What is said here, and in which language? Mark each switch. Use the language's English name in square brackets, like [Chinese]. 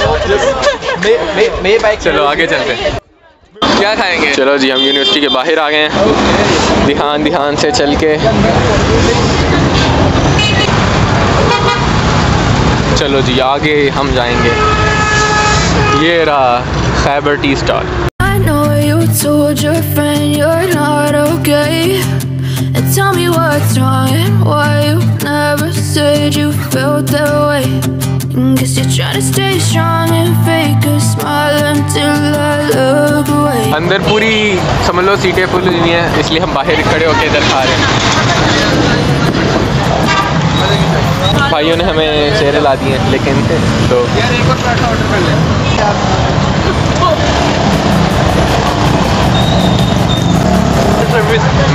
[Hindi] चलो आगे चलते हैं, क्या खाएंगे? चलो जी, हम यूनिवर्सिटी के बाहर आ गए हैं, ध्यान ध्यान से चल के। चलो जी, आगे हम जाएंगे, ये रहा Khyber tea stall. [English] I know you told your friend you're not okay, and tell me what's wrong and why you never said you felt that way. Guess you're trying to stay strong and fake a smile until I look away. [Hindi] अंदर पूरी समझ लो सीटें full हुई हैं, इसलिए हम बाहर खड़े होके इधर खा रहे हैं। भाइयों ने हमें चेयर ला दी हैं, लेकिन तो यार एक और प्लेट ऑर्डर कर ले।